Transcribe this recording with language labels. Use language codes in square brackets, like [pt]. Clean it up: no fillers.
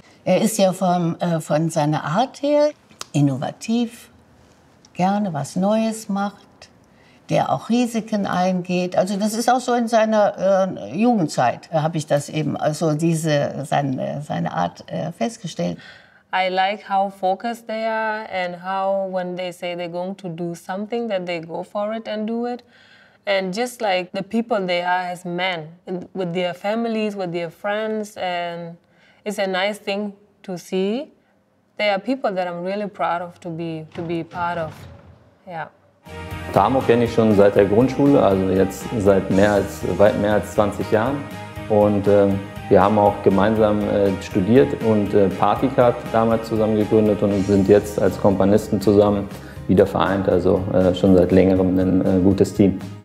[de] Er ist ja von seiner Art her innovativ, gerne was Neues macht, der auch Risiken eingeht. Also das ist auch so in seiner Jugendzeit, habe ich das eben, also seine Art festgestellt. [en] I like how focused they are and how when they say they're going to do something, that they go for it and do it. And just like the people they are as men, with their families, with their friends, and it's a nice thing to see. They are people that I'm really proud of to be part of, yeah. [de] Tamo kenne ich schon seit der Grundschule, also jetzt seit weit mehr als 20 Jahren. Und wir haben auch gemeinsam studiert und Partycard damals zusammen gegründet und sind jetzt als Companisten zusammen wieder vereint. Also schon seit längerem ein gutes Team.